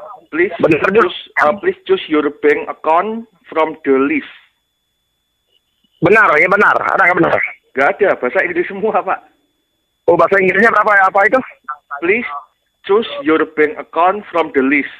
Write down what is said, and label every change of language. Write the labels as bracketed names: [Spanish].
[English] Please choose your bank account from the list. [Indonesian] Benar ya, benar. Ada nggak benar? Nggak ada, bahasa Inggris semua, Pak. Oh, bahasa Inggrisnya berapa ya? Apa itu? [English] Please choose your bank account from the list.